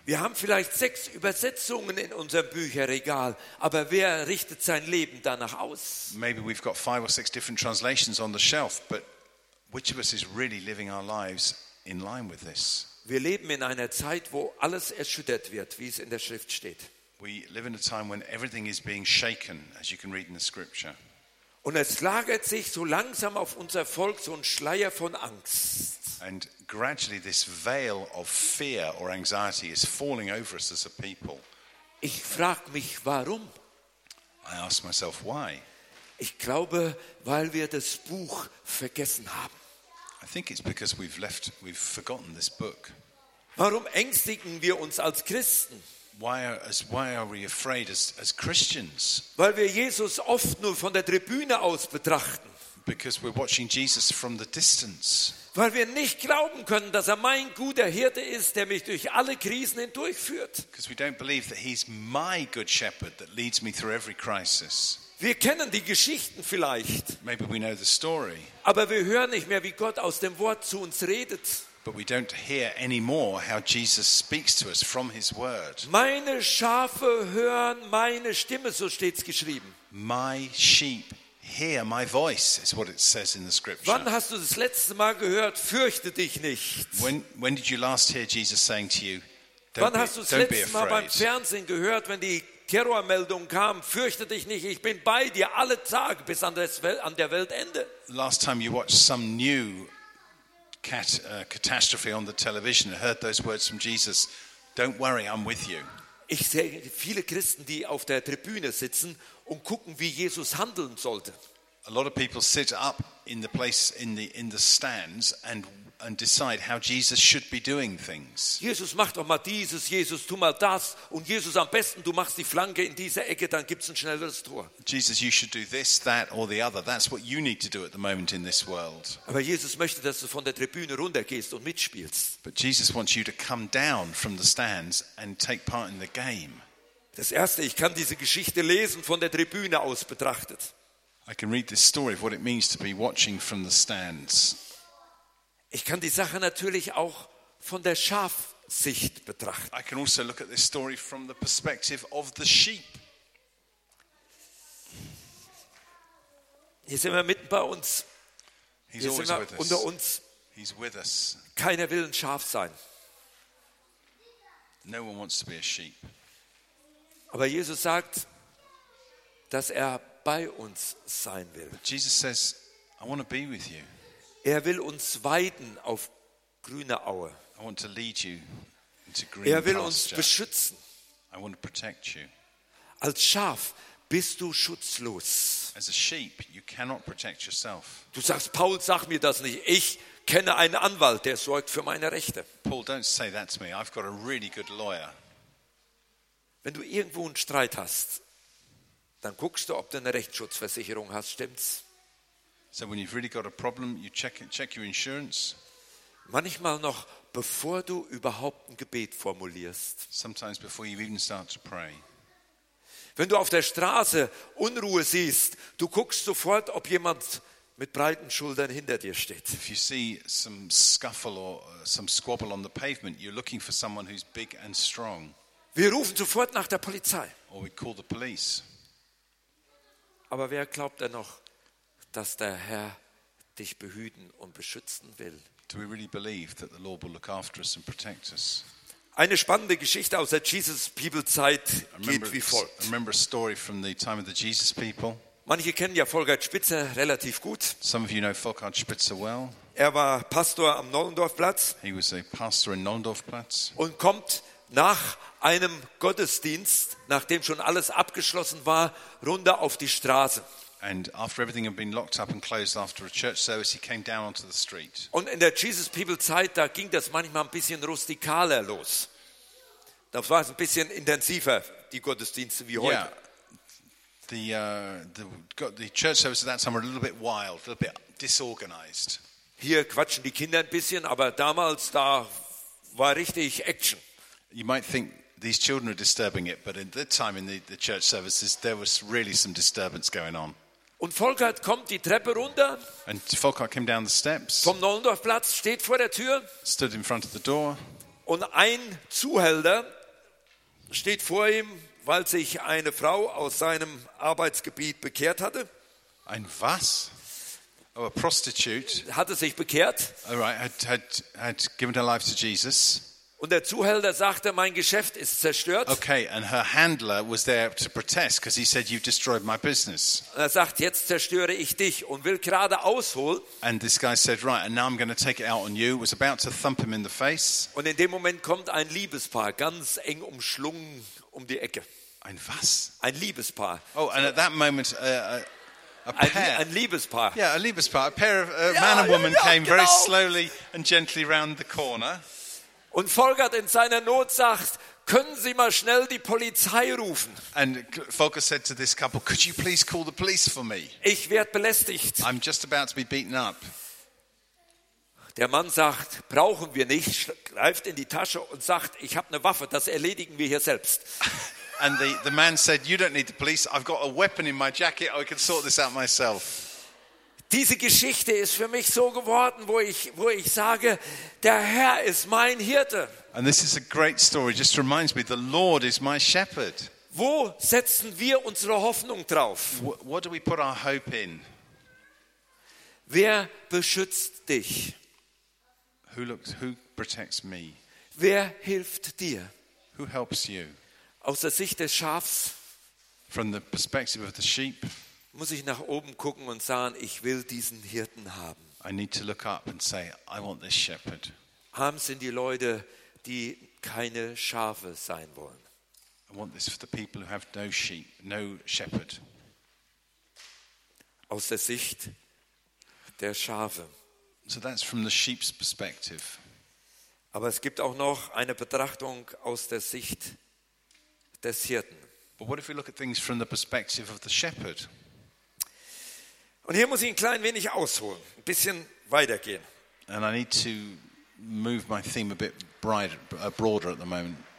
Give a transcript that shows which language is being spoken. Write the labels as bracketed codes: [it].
[de] Wir haben vielleicht 6 Übersetzungen in unserem Bücherregal, aber wer richtet sein Leben danach aus? [en] Maybe we've got 5 or 6 different translations on the shelf, but which of us is really living our lives in line with this? [de] Wir leben in einer Zeit, wo alles erschüttert wird, wie es in der Schrift steht. [en] We live in a time when everything is being shaken, as you can read in the scripture. [de] Und es lagert sich so langsam auf unser Volk so ein Schleier von Angst. [en] And gradually this veil of fear or anxiety is falling over us as a people. [de] Ich frage mich, warum? [en] I ask myself why. [de] Ich glaube, weil wir das Buch vergessen haben. [en] I think it's because we've forgotten this book. [de] Warum ängstigen wir uns als Christen? [en] Why are we afraid as Christians? [de] Weil wir Jesus oft nur von der Tribüne aus betrachten. [en] Because we're watching Jesus from the distance. [de] Weil wir nicht glauben können, dass er mein guter Hirte ist, der mich durch alle Krisen hindurchführt. [en] Because we don't believe that he's my good shepherd that leads me through every crisis. [de] Wir kennen die Geschichten vielleicht. [en] Maybe we know the story. [de] Aber wir hören nicht mehr, wie Gott aus dem Wort zu uns redet. [en] But we don't hear anymore how Jesus speaks to us from his word. [de] Meine Schafe hören meine Stimme, so steht's geschrieben. [en] My sheep hear my voice is what it says in the scripture. [de] Wann hast du das letzte Mal gehört, fürchte dich nicht? [en] When did you last hear Jesus saying to you, [de] wann hast du das letzte Mal beim Fernsehen gehört, wenn die Terrormeldung kam, fürchte dich nicht, ich bin bei dir alle Tage bis an der Weltende? [en] Last time you watched some new catastrophe on the television and heard those words from Jesus, don't worry, I'm with you. [de] Ich sehe viele Christen, die auf der Tribüne sitzen und gucken, wie Jesus handeln sollte. [en] A lot of people sit up in the place in the stands and decide how Jesus should be doing things. [de] Jesus, mach doch mal dieses, Jesus, tu mal das, und Jesus, am besten du machst die Flanke in dieser Ecke, dann gibt's ein schnelleres Tor. [en] Jesus, you should do this, that or the other. That's what you need to do at the moment in this world. [de] Aber Jesus möchte, dass du von der Tribüne runtergehst und mitspielst. [en] But Jesus wants you to come down from the stands and take part in the game. [de] Das erste, ich kann diese Geschichte lesen von der Tribüne aus betrachtet. [en] I can read this story of what it means to be watching from the stands. [de] Ich kann die Sache natürlich auch von der Schafsicht betrachten. [en] I can also look at this story from the perspective of the sheep. [de] Hier sind wir mitten bei uns. [en] He's always with us. [de] Unter uns. [en] He's with us. [de] Keiner will ein Schaf sein. [en] No one wants to be a sheep. [de] Aber Jesus sagt, dass er bei uns sein will. [en] But Jesus says, I want to be with you. [de] Er will uns weiden auf grüne Aue. [en] I want to lead you into green [de] Er will [en] pasture. [de] Uns beschützen. [en] I want to protect you. [de] Als Schaf bist du schutzlos. [en] As a sheep, you cannot protect yourself. [de] Du sagst, Paul, sag mir das nicht. Ich kenne einen Anwalt, der sorgt für meine Rechte. [en] Paul, don't say that to me. I've got a really good lawyer. [de] Wenn du irgendwo einen Streit hast, dann guckst du, ob du eine Rechtsschutzversicherung hast, stimmt's? [en] So when you've really got a problem, you check your insurance. [de] Manchmal noch, bevor du überhaupt ein Gebet formulierst. [en] Sometimes before you even start to pray. [de] Wenn du auf der Straße Unruhe siehst, du guckst sofort, ob jemand mit breiten Schultern hinter dir steht. [en] If you see some scuffle or some squabble on the pavement, you're looking for someone who's big and strong. [de] Wir rufen sofort nach der Polizei. [en] Or we call the police. [de] Aber wer glaubt denn noch, dass der Herr dich behüten und beschützen will? [en] Do we really believe that the Lord will look after us and protect us? [de] Eine spannende Geschichte aus der Jesus People Zeit geht wie folgt. [en] I remember a story from the time of the Jesus People. [de] Manche kennen ja Volkhard Spitzer relativ gut. [en] Some of you know Volkhard Spitzer well. [de] Er war Pastor am Nollendorfplatz. [en] He was a pastor in Nollendorfplatz. [de] Und kommt nach einem Gottesdienst, nachdem schon alles abgeschlossen war, runter auf die Straße. [en] And after everything had been locked up and closed after a church service, he came down onto the street. [de] Und in der Jesus People Zeit, da ging das manchmal ein bisschen rustikaler los. Da war es ein bisschen intensiver, die Gottesdienste wie heute. [en] Yeah. The church service at that time were a little bit wild, a little bit disorganized. [de] Hier quatschen die Kinder ein bisschen, aber damals da war richtig Action. [en] You might think these children are disturbing it, but at that time in the church services there was really some disturbance going on. [de] Und Volkhard kommt die Treppe runter. [en] And Volkhard came down the steps. [de] Vom Nollendorfplatz steht vor der Tür. [en] Stood in front of the door. [de] Und ein Zuhälter steht vor ihm, weil sich eine Frau aus seinem Arbeitsgebiet bekehrt hatte. Ein was? [en] Oh, a prostitute. [de] Hatte sich bekehrt. [en] All right, had given her life to Jesus. [de] Und der Zuhälter sagte, mein Geschäft ist zerstört. [en] Okay, and her handler was there to protest because he said you've destroyed my business. [de] Er sagt, jetzt zerstöre ich dich und will gerade ausholen. [en] And this guy said, right, and now I'm going to take it out on you. Was about to thump him in the face. [de] Und in dem Moment kommt ein Liebespaar ganz eng umschlungen um die Ecke. Ein was? Ein Liebespaar. [en] Oh, and at that moment [de] ein Liebespaar. [en] Yeah, a Liebespaar. A pair of man and woman came very slowly and gently round the corner. [de] Und Volkhard in seiner Not sagt, können Sie mal schnell die Polizei rufen? [en] And Volkhard said to this couple, could you please call the police for me? [de] Ich werde belästigt. [en] I'm just about to be beaten up. [de] Der Mann sagt, brauchen wir nicht, greift in die Tasche und sagt, ich habe eine Waffe, das erledigen wir hier selbst. [en] And the man said, you don't need the police, I've got a weapon in my jacket, I can sort this out myself. [de] Diese Geschichte ist für mich so geworden, wo ich sage, der Herr ist mein Hirte. [en] And this is a great story, just reminds me, the Lord is my shepherd. [de] Wo setzen wir unsere Hoffnung drauf? [en] What do we put our hope in? [de] Wer beschützt dich? [en] Who protects me? [de] Wer hilft dir? [en] Who helps you? [de] Aus der Sicht des Schafs. [en] From the perspective of the sheep. [de] Muss ich nach oben gucken und sagen, ich will diesen Hirten haben. [en] I need to look up and say, I want this shepherd. [de] Arm sind die Leute, die keine Schafe sein wollen. [en] I want this for the people who have no sheep, no shepherd. [de] Aus der Sicht der Schafe. [en] So that's from the sheep's perspective. [de] Aber es gibt auch noch eine Betrachtung aus der Sicht des Hirten. [en] But what if we look at things from the perspective of the shepherd? [de] Und hier muss ich ein klein wenig ausholen, ein bisschen weitergehen. [en] And I need to move my theme a bit broader at the moment.